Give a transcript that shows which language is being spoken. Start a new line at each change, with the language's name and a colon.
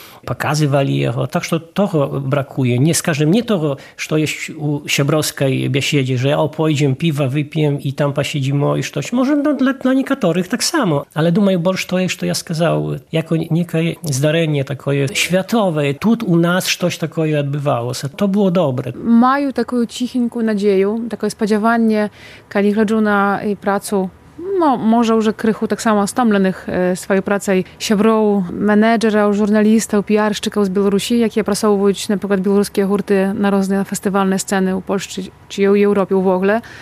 Belarusian: Паказывалі яго. Так што таго бракуе. Не скажам, не таго, што ёсць у сябровскай бяседзі, што я пойдзем, піва вып'ем і там пасядзімо і штось. Можа, ну, для некаторых таксама. Але думаю, больш тое, што я сказаў, яко некае здарэнне такое святове. Тут у нас штось такое адбывалося. То было добре. Маю такую ціхенькую надзею, такое спадзяванне, калі гляджу на працу
Polish: no, może już krychu tak samo stomlenych swojej pracy siebrow, menedżerów, żurnalistów, PR-szczyków z Białorusi, jakie prasowują na przykład białoruskie hurty na różne festiwalne sceny w Polsce czy w Europie w ogóle.